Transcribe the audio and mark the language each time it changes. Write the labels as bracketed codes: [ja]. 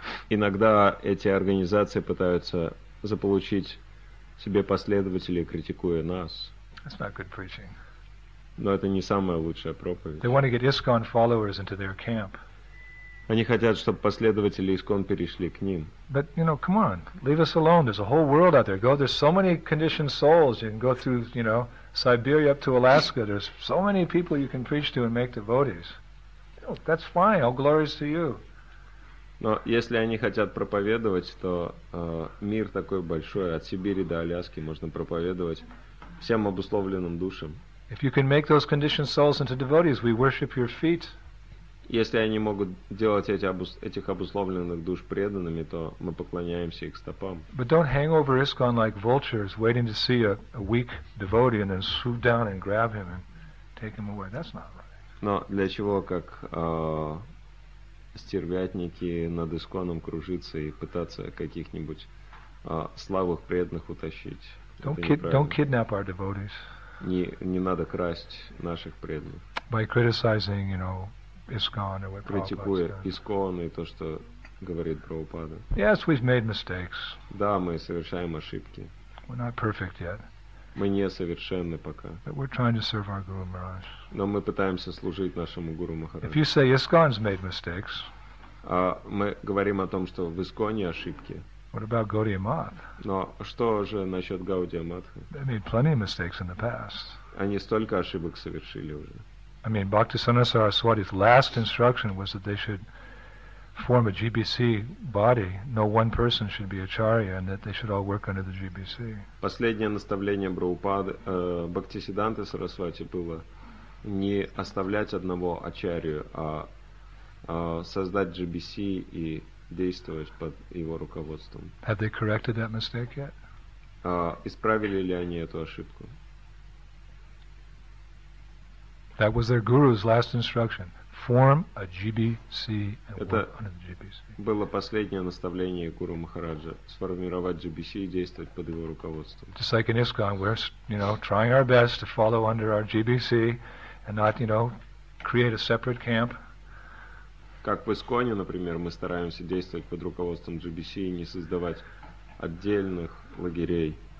[ru] Иногда эти организации пытаются заполучить себе последователей, критикуя нас. [en] That's not good preaching. [ru] Но это не самая лучшая проповедь. [en] They want to get ISKCON followers into their camp. [ru] Они хотят, чтобы последователи ИСККОН перешли к ним. [en] But, you know, come on, leave us alone. There's a whole world out there. Go, there's so many conditioned souls. You can go through, you know, Siberia up to Alaska. There's so many people you can preach to and make devotees. You know, that's fine. All glories to you. [ru] Но если они хотят проповедовать, то мир такой большой. От Сибири до Аляски можно проповедовать всем обусловленным душам. [en] If you can make those conditioned souls into devotees, we worship your feet. [ru] Если они могут делать этих обусловленных душ преданными, то мы поклоняемся их стопам. [en] But don't hang over ISKCON like vultures, waiting to see a weak devotee and then swoop down and grab him and take him away. That's not right. [ru] Но для чего как стервятники над ИСККОНом кружиться и пытаться каких-нибудь слабых преданных утащить? [en] Don't kidnap our devotees. [ru] Не надо красть наших преданных. [en] By criticizing, you know, ISKCON or what Prabhupada says. [ru] Критикуя ИСККОН и то, что говорит Прабхупада. [en] Yes, we've made mistakes. [ru] Да, мы совершаем ошибки. [en] We're not perfect yet. [ru] Мы не совершенны пока. [en] But we're trying to serve our Guru Maharaj. [ru] Но мы пытаемся служить нашему Гуру Махараджу. [en] If you say ISKCON's made mistakes. [ru] Мы говорим о том, что в ИСККОНе ошибки. [en] What about Gaudiya Math? [ru] Но что же насчет Гаудия Матха? [en] They made plenty of mistakes in the past. [ru] Они столько ошибок совершили уже. [en] I mean, Bhaktisiddhanta Saraswati's last instruction was that they should form a GBC body. No one person should be acharya, and that they should all work under the GBC. [ru] Последнее наставление Бхактисиддханты Сарасвати было не оставлять одного ачарью, а создать GBC и действовать под его руководством. [en] Have they corrected that mistake yet? [ru] Исправили ли они эту ошибку? [en] That was their guru's last instruction. Form a GBC and work under the GBC. [ru] Было последнее наставление Гуру Махараджа сформировать GBC и действовать под его руководством. [en] Just like in ISKCON, we're, you know, trying our best to follow under our GBC and not, you know, create a separate camp. [ru] Как в ИСККОНе, например, мы стараемся действовать под руководством GBC и не создавать отдельных лагерей.